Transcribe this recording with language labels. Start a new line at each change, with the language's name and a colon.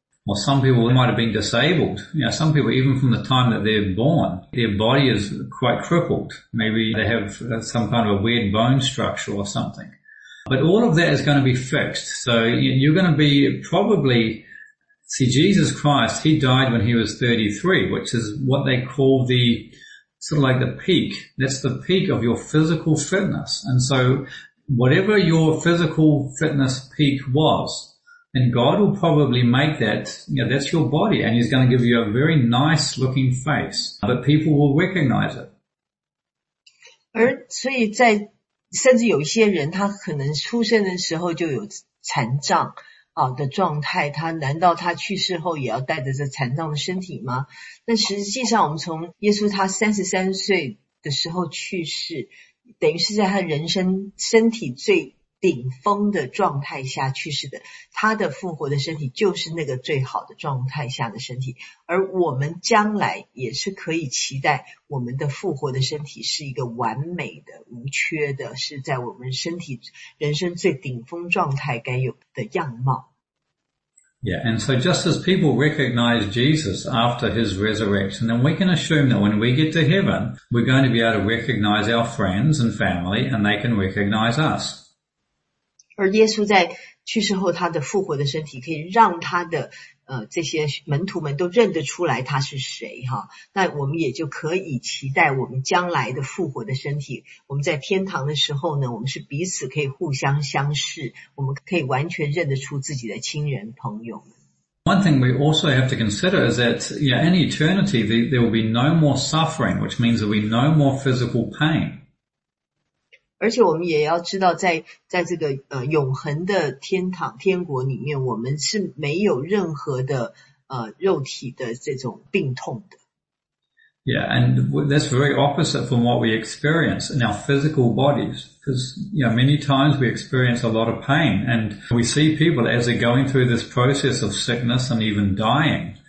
English: Well, some people might have been disabled. You know, some people, even from the time that they're born, their body is quite crippled. Maybe they have some kind of a weird bone structure or something. But all of that is going to be fixed. So you're going to be probably, see, Jesus Christ, he died when he was 33, which is what they call the sort of like the peak. That's the peak of your physical fitness. And so whatever your physical fitness peak was, and God will probably make that, you know, that's your body, and he's going to give you a very nice looking face, but people will recognize it.
Chinese: 而所以在甚至有一些人他可能出生的时候就有残障的状态，他难道他去世后也要带着这残障的身体吗？那实际上我们从耶稣他33岁的时候去世，等于是在他人生身体最顶峰的状态下去世的，他的复活的身体就是那个最好的状态下的身体，而我们将来也是可以期待我们的复活的身体是一个完美的无缺的，是在我们身体人生最顶峰状态该有的样貌。
English: Yeah, and so just as people recognize Jesus after his resurrection, then we can assume that when we get to heaven, we're going to be able to recognize our friends and family, and they can recognize us.
Chinese: 而耶稣在去世后他的复活的身体可以让他的这些门徒们都认得出来他是谁哈，那我们也就可以期待我们将来的复活的身体，我们在天堂的时候呢，我们是彼此可以互相相视，我们可以完全认得出自己的亲人朋友们。
English: One thing we also have to consider is that, yeah, in eternity there will be no more suffering, which means there will be no more physical pain.
Chinese: 而且我们也要知道在这个永恒的天堂天国里面，我们是没有任何的肉体的这种病痛的。
English: Yeah, and that's very opposite from what we experience in our physical bodies. Because, you know, many times we experience a lot of pain and we see people as they're going through this process of sickness and even dying.